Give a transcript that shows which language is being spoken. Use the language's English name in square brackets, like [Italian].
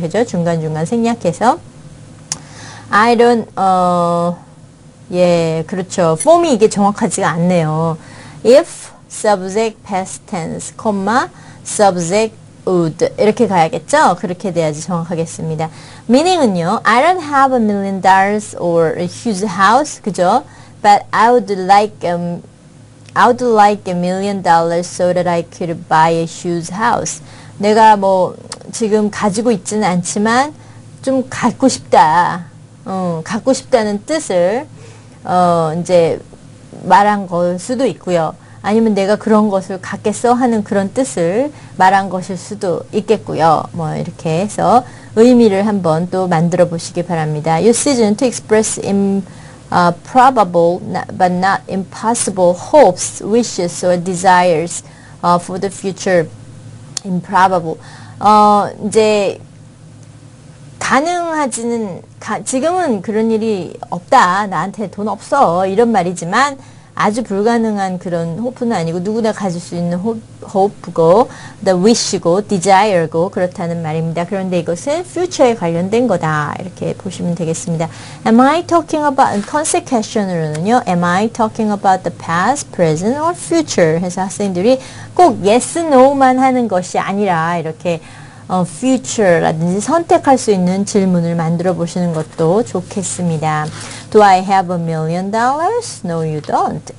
[Korean] 그죠? 중간중간 생략해서. [English] I don't, [Korean] 예, 그렇죠. 폼이 이게 정확하지가 않네요. [English] If, subject, past tense, comma, subject, would. [Korean] 이렇게 가야겠죠? 그렇게 돼야지 정확하겠습니다. meaning은요, [English] I don't have $1 million or a huge house. [Korean] 그죠? [English] But I would like $1 million so that I could buy a huge house. [Korean] 내가 뭐 지금 가지고 있지는 않지만 좀 갖고 싶다. 갖고 싶다는 뜻을 이제 말한 걸 수도 있고요. 아니면 내가 그런 것을 갖겠어 하는 그런 뜻을 말한 것일 수도 있겠고요. 뭐 이렇게 해서 의미를 한번 또 만들어 보시기 바랍니다. [English] Usage to express in probable but not impossible hopes, wishes, or desires for the future. Improbable. [Korean] 이제 가능하지는 지금은 그런 일이 없다. 나한테 돈 없어 이런 말이지만 아주 불가능한 그런 hope는 아니고 누구나 가질 수 있는 hope고 the wish고 desire고 그렇다는 말입니다. 그런데 이것은 future에 관련된 거다. 이렇게 보시면 되겠습니다. [English] Am I talking about, [Korean] concept question으로는요. [English] Am I talking about the past, present, or future? [Korean] 해서 학생들이 꼭 yes, no만 하는 것이 아니라 이렇게 future라든지 선택할 수 있는 질문을 만들어 보시는 것도 좋겠습니다. [English] Do I have $1 million? No, you don't.